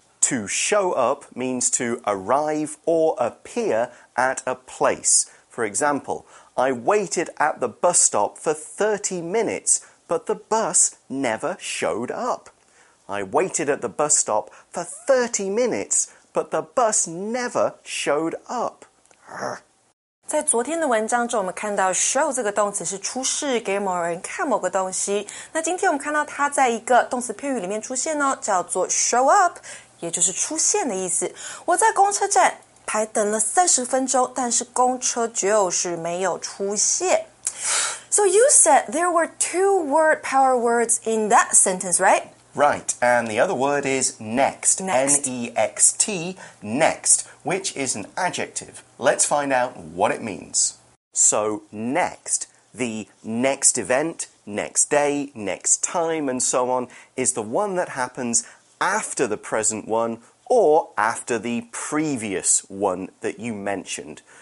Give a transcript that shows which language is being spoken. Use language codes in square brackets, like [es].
[en] To show up means to arrive or appear at a place. For example, I waited at the bus stop for 30 minutes, but the bus never showed up. I waited at the bus stop for 30 minutes, but the bus never showed up. [zh] 在昨天的文章中，我们看到 show 这个动词是出示给某人看某个东西。那今天我们看到它在一个动词片语里面出现哦，叫做 show up, 也就是出现的意思。我在公车站排等了30分钟，但是公车就是没有出现。 [en] So you said there were two word power words in that sentence, right? Right, and the other word is next, next, N-E-X-T, next, which is an adjective. Let's find out what it means. So, next, the next event, next day, next time, and so on, is the one that happens after the present one or after the previous one that you mentioned.